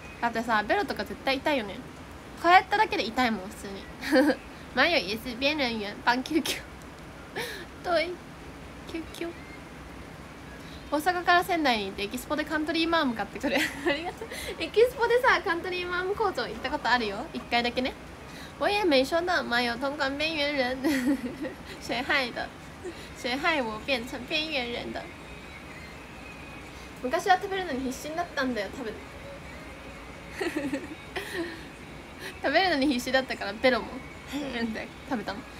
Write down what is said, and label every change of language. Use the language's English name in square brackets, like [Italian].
[Japanese] だってさ、ベロとか絶対痛いよね。こうやっただけで痛いもん、普通に。マヨイエスビエルンユンパンキュキュトイキュキュ。大阪から仙台に行ってエキスポでカントリーマーム買ってくる。ありがとう。エキスポでさ、カントリーマーム工場行ったことあるよ、一回だけね。 [Chinese] 我也没收到，妈有同款边缘人，谁害的？谁害我变成边缘人的？ [Japanese] 昔は食べるのに必死だったんだよ、多分。食べるのに必死だったからベロも食べたの。